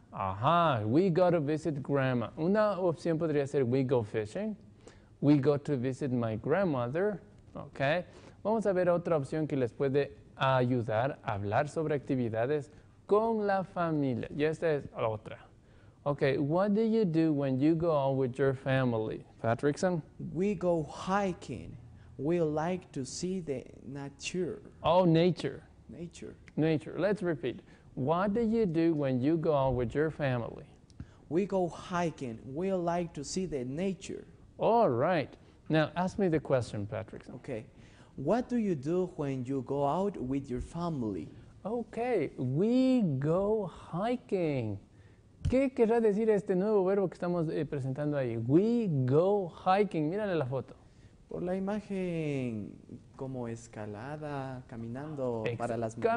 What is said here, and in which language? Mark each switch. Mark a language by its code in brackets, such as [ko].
[en] Ajá, we go to visit grandma. [es] Una opción podría ser [en] we go fishing. We go to visit my grandmother. Okay. [es] Vamos a ver otra opción que les puede ayudar a hablar sobre actividades con la familia. Y esta es otra. [en] Okay, what do you do when you go out with your family, Patrickson? We go hiking. We like to see the nature. Oh, nature. Nature. Nature. Let's repeat. What do you do when you go out with your family? We go hiking. We like to see the nature. All right. Now, ask me the question, Patrickson. Okay. What do you do when you go out with your family? Okay. We go hiking. [es] ¿Qué querrá decir este nuevo verbo que estamos presentando ahí? [en] We go hiking. [es] Mírale la foto. Por la imagen, como escalada, caminando para las montañas.